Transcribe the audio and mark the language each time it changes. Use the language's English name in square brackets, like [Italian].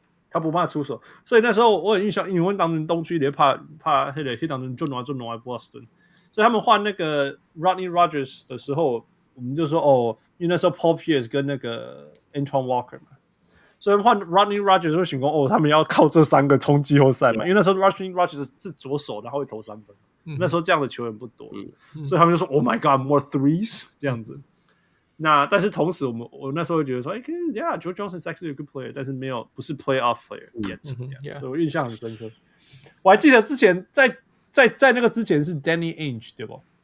[Chinese] 他不怕出手，所以那时候我很印象，因为当时东区也怕黑人，当时就拿 Boston， 所以他们换那个 Rodney Rogers 的时候，我们就说哦，因为那时候 Paul Pierce 跟那个 Antoine Walker 嘛，所以换 Rodney Rogers 就想说哦，他们要靠这三个冲季后赛嘛，因为那时候 Rodney Rogers 是左手，然后会投三分。那时候这样的球员不多，所以他们就说 ： “Oh my God, more threes！” 这样子。 [English] 那但是同时，我那时候觉得说：“哎、欸、，Yeah, George Johnson is actually a good player，但是没有不是 playoff player yet、 yeah. [Chinese] 所以我印象很深刻。我还记得之前在那个之前是 Danny Ainge 对不